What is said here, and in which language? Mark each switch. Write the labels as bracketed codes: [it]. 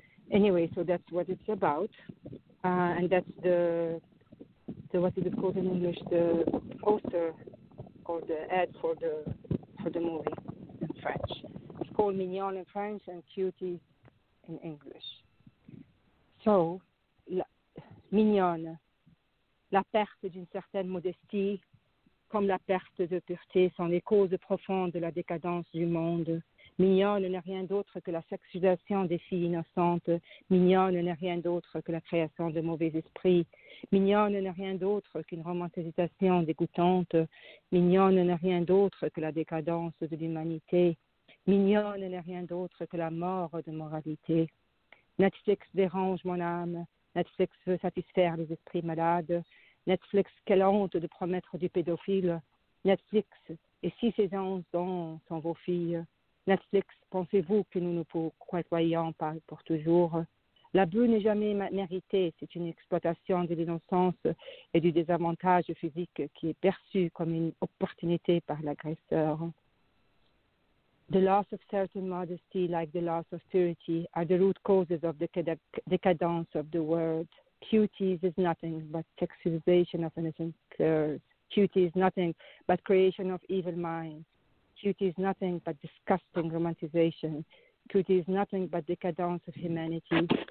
[en] Anyway, so that's what it's about. And that's the what is it called in English, the poster or the ad for the movie in French. It's called Mignon in French and Cutie in English. [fr] So, Mignonne, la perte d'une certaine modestie, comme la perte de pureté, sont les causes profondes de la décadence du monde. Mignonne n'est rien d'autre que la sexualisation des filles innocentes. Mignonne n'est rien d'autre que la création de mauvais esprits. Mignonne n'est rien d'autre qu'une romantisation dégoûtante. Mignonne n'est rien d'autre que la décadence de l'humanité. Mignonne n'est rien d'autre que la mort de moralité. Netflix dérange mon âme. Netflix veut satisfaire les esprits malades. Netflix, quelle honte de promettre du pédophile. Netflix, et si ces enfants sont vos filles? Netflix, pensez-vous que nous ne croyons pas pour toujours? L'abus n'est jamais mérité, c'est une exploitation de l'innocence et du désavantage physique qui est perçu comme une opportunité par l'agresseur. [en] The loss of certain modesty, like the loss of purity, are the root causes of the decadence of the world. Cuties is nothing but sexualization of innocent girls. Cuties is nothing but creation of evil minds. Cutie is nothing but disgusting romanticization. Cutie is nothing but decadence of humanity.